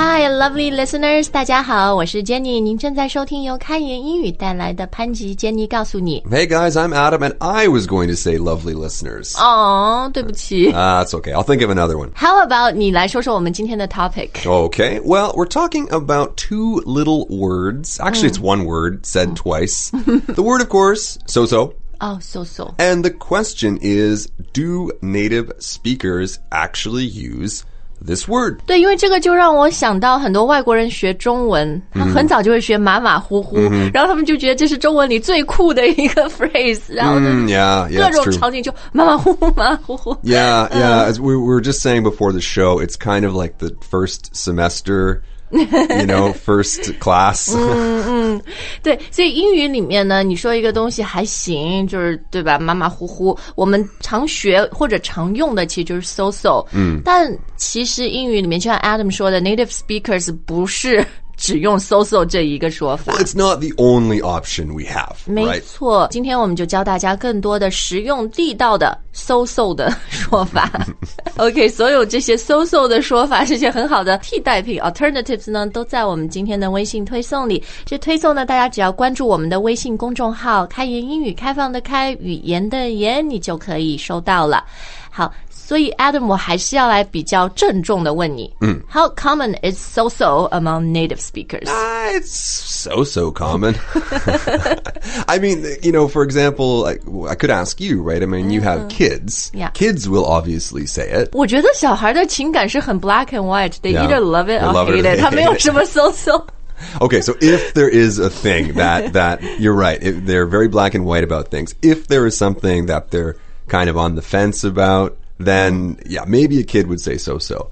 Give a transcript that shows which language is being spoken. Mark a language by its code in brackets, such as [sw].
[en] lovely listeners, [zh] 大家好，我是 Jenny， 您正在收听由开言英语带来的潘吉 Jenny 告诉你。 [en] Hey guys, I'm Adam, and I was going to say lovely listeners. [zh] 哦，对不起。 [en] That's okay, I'll think of another one. How about [zh] 你来说说我们今天的 topic? [en] Okay, well, we're talking about two little words. Actually, it's one word said twice. The word, of course, so-so. So-so. And the question is, do native speakers actually use this word? [zh] 对，因为这个就让我想到很多外国人学中文，他很早就会学马马虎虎，然后他们就觉得这是中文里最酷的一个 phrase, 然后各种场景就马马虎虎，马马虎虎。 [en] Yeah, yeah, as we were just saying before the show, it's kind of like the first semester... you know, first class. [zh] 对，所以英语里面呢，你说一个东西还行，就是对吧，马马虎虎。我们常学或者常用的其实就是 so-so。但其实英语里面，就像 Adam 说的 ， [en] native speakers [zh] 不是只用 so-so 这一个说法。 [en] Well, it's not the only option we have. [zh] 没错， [en] right? [zh] 今天我们就教大家更多的实用地道的 so-so 的说法。 OK, 所有这些 so-so 的说法，这些很好的替代品 alternatives 呢，都在我们今天的微信推送里。这推送呢，大家只要关注我们的微信公众号"开言英语"，开放的开，语言的言，你就可以收到了。好，所以 Adam, 我还是要来比较郑重的问你。 [en] How common is so-so among native speakers? It's so-so common. I mean, you know, for example, I could ask you, right? I mean, you have kids. Yeah. Kids will obviously say it. [zh] 我觉得小孩的情感是很 [en] black and white. They yeah, either love it or love hate it. [zh] 他没有什么 so-so. [en] Okay, so if there is a thing that you're right, if they're very black and white about things. If there is something that they're... kind of on the fence about, then, yeah, maybe a kid would say so-so.